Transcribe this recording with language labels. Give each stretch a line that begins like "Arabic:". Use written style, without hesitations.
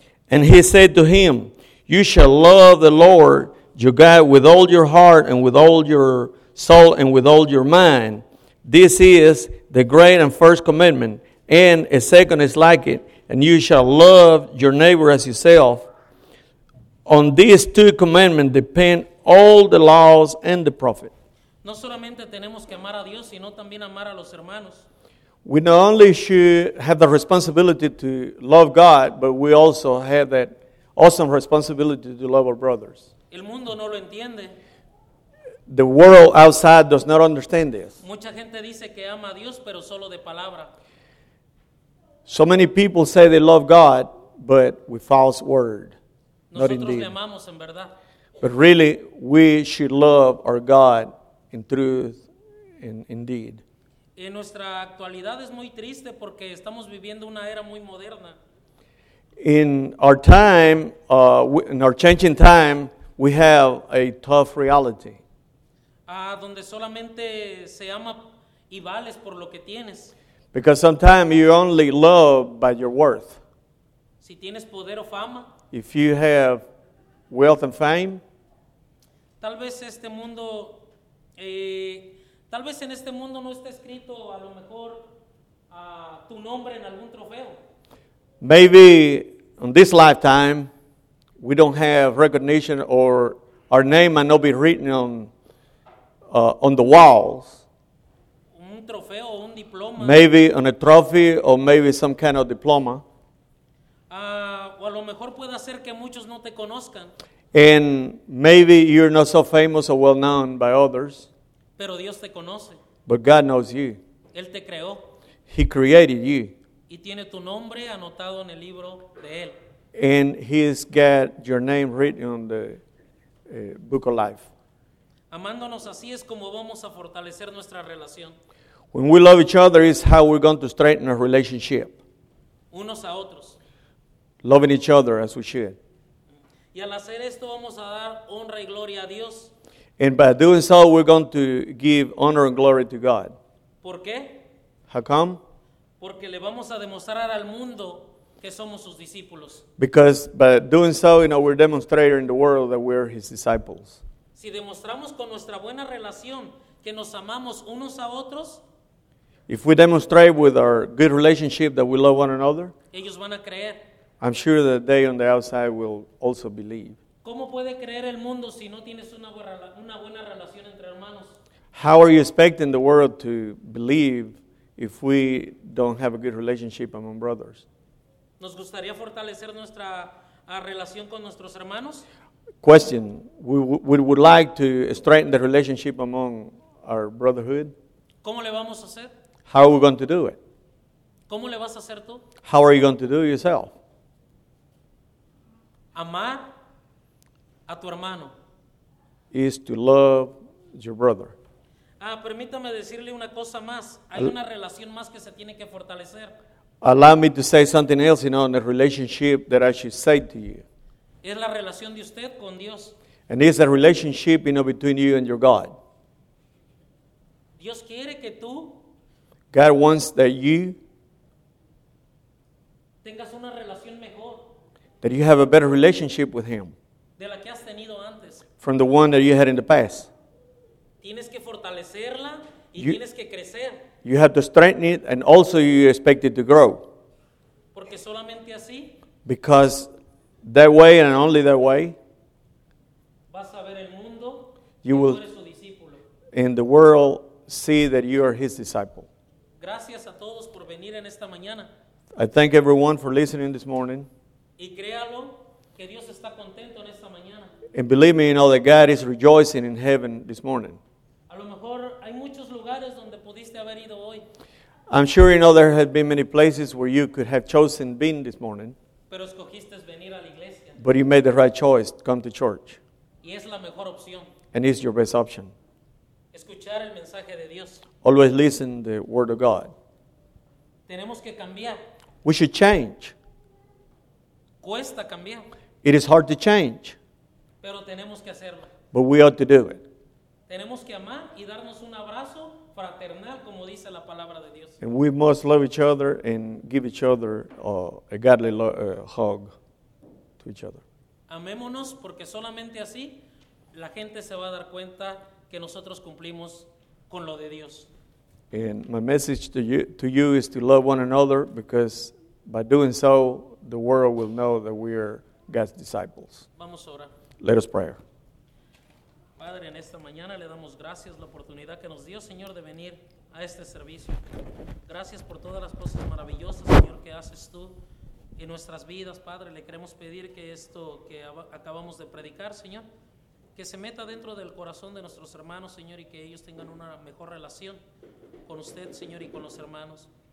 English: And he said to him, you shall love the Lord your God with all your heart and with all your soul and with all your mind. This is the great and first commandment, and a second is like it, and you shall love your neighbor as yourself. On these two commandments depend all the laws and the prophets.
Spanish: No solamente tenemos que amar a Dios, sino también amar a los hermanos.
English: We not only should have the responsibility to love God, but we also have that awesome responsibility to love our brothers.
Spanish: El mundo no lo entiende.
English: The world outside does not understand this.
Spanish: Mucha gente dice que ama a Dios, pero solo de palabra.
English: So many people say they love God, but with false word.
Spanish: Nosotros
English: not indeed.
Spanish: Le amamos en verdad.
English: But really, we should love our God in truth and indeed.
Spanish: En nuestra actualidad es muy triste porque estamos viviendo una era muy moderna.
English: In our time, in our changing time, we have a tough reality.
Spanish: Donde solamente se ama y vales por lo que tienes.
English: Because sometimes you only love by your worth.
Spanish: Si tienes poder o fama.
English: If you have wealth and fame.
Spanish: Tal vez este mundo, tal vez en este mundo no está escrito a lo mejor tu nombre en algún trofeo.
English: Maybe in this lifetime, we don't have recognition, or our name might not be written on the walls.
Spanish: Un trofeo, un diploma.
English: Maybe on a trophy, or maybe some kind of diploma.
Spanish: O a lo mejor puede hacer que muchos no te conozcan.
English: And maybe you're not so famous or well known by others.
Spanish: Pero Dios te conoce.
English: But God knows you.
Spanish: Él te creó.
English: He created you.
Spanish: Y tiene tu nombre anotado en el libro de él.
English: And he's got your name written on the book of life.
Spanish: Amándonos así es como vamos a fortalecer nuestra relación.
English: When we love each other is how we're going to strengthen our relationship.
Spanish: Unos a otros.
English: Loving each other as we should.
Spanish: Y al hacer esto vamos a dar honra y gloria a Dios.
English: And by doing so we're going to give honor and glory to God.
Spanish: ¿Por qué?
English: How come?
Spanish: Porque le vamos a demostrar al mundo que somos sus discípulos.
English: Because by doing so, you know, we're demonstrating in the world that we're his disciples.
Spanish: Si demostramos con nuestra buena relación que nos amamos unos a otros,
English: if we demonstrate with our good relationship that we love one another,
Spanish: ellos van a creer.
English: I'm sure that they on the outside will also believe.
Spanish: ¿Cómo puede creer el mundo si no tienes una buena relación entre hermanos?
English: How are you expecting the world to believe if we don't have a good relationship among brothers?
Spanish: ¿Nos gustaría fortalecer nuestra relación con nuestros hermanos?
English: Question. We would like to strengthen the relationship among our brotherhood.
Spanish: ¿Cómo le vamos a hacer?
English: How are we going to do it?
Spanish: ¿Cómo le vas a hacer tú?
English: How are you going to do it yourself?
Spanish: Amar a tu hermano.
English: Is to love your brother.
Spanish: Ah, permítame decirle una cosa más. Hay una relación más que se tiene que fortalecer.
English: Allow me to say something else, you know, in the relationship that I should say to you.
Spanish: Es la relación de usted con Dios.
English: And it's the relationship, you know, between you and your God.
Spanish: Dios quiere que tú.
English: God wants that you.
Spanish: Tengas una relación mejor.
English: That you have a better relationship with him.
Spanish: De la que has tenido antes.
English: From the one that you had in the past.
Spanish: Tienes que fortalecerla y you, tienes que crecer.
English: You have to strengthen it and also you expect it to grow.
Spanish: Porque solamente así.
English: Because that way and only that way.
Spanish: Vas a ver el mundo.
English: You will
Spanish: eres su discípulo.
English: In the world see that you are his disciple.
Spanish: Gracias a todos por venir en esta mañana.
English: I thank everyone for listening this morning.
Spanish: Y créalo que Dios está contento en esta mañana.
English: And believe me, you know, that God is rejoicing in heaven this morning.
Spanish: A lo mejor hay muchos lugares donde pudiste haber ido hoy.
English: I'm sure you know there have been many places where you could have chosen been this morning.
Spanish: Pero escogiste venir a la iglesia.
English: But you made the right choice, come to church.
Spanish: Y es la mejor opción.
English: And it's your best option.
Spanish: Escuchar el mensaje de Dios.
English: Always listen to the word of God.
Spanish: Tenemos que cambiar.
English: We should change.
Spanish: Cuesta cambiar.
English: It is hard to change.
Spanish: Pero tenemos que hacerlo.
English: But we ought to do it.
Spanish: Tenemos que amar y darnos un abrazo fraternal, como dice la palabra de Dios.
English: And we must love each other and give each other a godly hug to each other.
Spanish: Amémonos porque solamente así la gente se va a dar cuenta que nosotros cumplimos con lo de Dios.
English: And my message to you is to love one another, because by doing so, the world will know that we are God's disciples.
Spanish: Vamos a orar.
English: Let us pray.
Spanish: Padre, en esta mañana le damos gracias la oportunidad que nos dio, Señor, de venir a este servicio. Gracias por todas las cosas maravillosas, Señor, que haces tú en nuestras vidas, Padre. Le queremos pedir que esto que acabamos de predicar, Señor, que se meta dentro del corazón de nuestros hermanos, Señor, y que ellos tengan una mejor relación con usted, Señor, y con los hermanos.